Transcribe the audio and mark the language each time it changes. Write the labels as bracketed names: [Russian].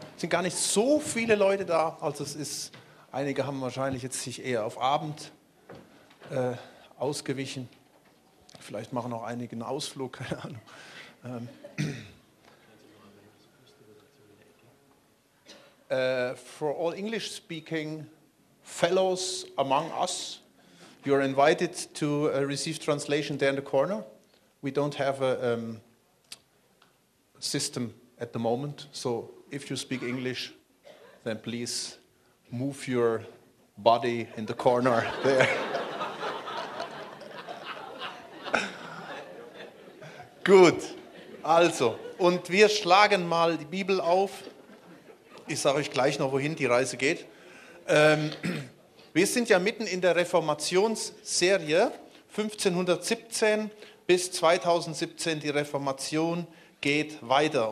[German] Es sind gar nicht so viele Leute da. Also es ist, einige haben wahrscheinlich jetzt sich eher auf Abend ausgewichen. Vielleicht machen auch einige einen Ausflug, keine Ahnung. [English] For all English speaking fellows among us, you are invited to receive translation there in the corner. We don't have a system at the moment, so if you speak English, then please move your body in the corner there. [German] Gut, also, und wir schlagen mal die Bibel auf. Ich sage euch gleich noch, wohin die Reise geht. Wir sind ja mitten in der Reformationsserie, 1517 bis 2017, die Reformation geht weiter.